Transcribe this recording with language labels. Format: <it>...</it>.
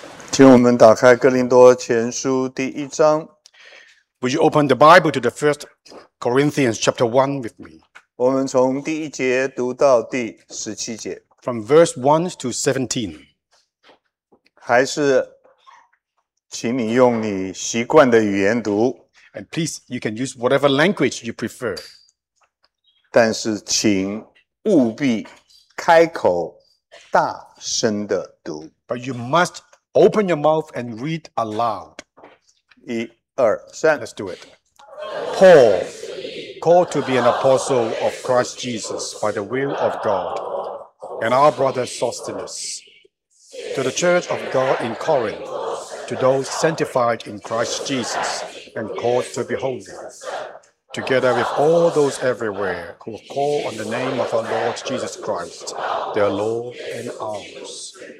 <zh>请我们打开哥林多前书第一章。</zh> <en>Would you open the Bible to the First Corinthians chapter 1 with me?</en> <zh>我们从第一节读到第十七节。</zh> <en>From verse 1 to 17.</en> <zh>还是请你用你习惯的语言读。</zh> <en>And please, you can use whatever language you prefer.</en> <zh>但是请务必开口大声地读。</zh> <en>But you must open your mouth and read aloud.</en> <zh>一、二、三。</zh> <en>Let's do it. Paul, called to be an apostle of Christ Jesus by the will of God, and our brother Sosthenes, to the church of God in Corinth, to those sanctified in Christ Jesus and called to be holy, together with all those everywhere who call on the name of our Lord Jesus Christ, their Lord and ours.</en>